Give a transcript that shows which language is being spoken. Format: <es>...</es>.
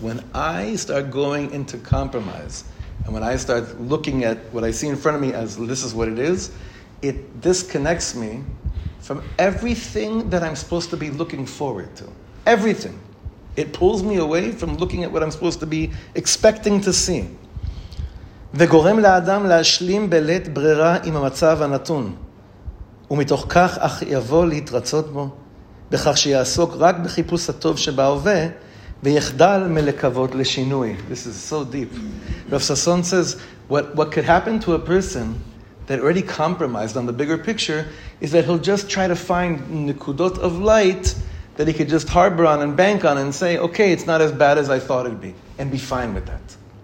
<en>When I start going into compromise, and when I start looking at what I see in front of me as this is what it is, it disconnects me from everything that I'm supposed to be looking forward to. Everything. It pulls me away from looking at what I'm supposed to be expecting to see.</en> <he>וגורם לאדם להשלים בלית ברירה עם המצב הנתון. ומתוך כך אך יבוא להתרצות בו, בכך שיעסוק רק בחיפוש הטוב שבהווה, ויחדל מלקוות לשינוי.</he> <en>This is so deep. Rav Sasson says, what could happen to a person that already compromised on the bigger picture is that he'll just try to find nekudot of light that he could just harbor on and bank on and say, okay, it's not as bad as I thought it'd be, and be fine with that.</en>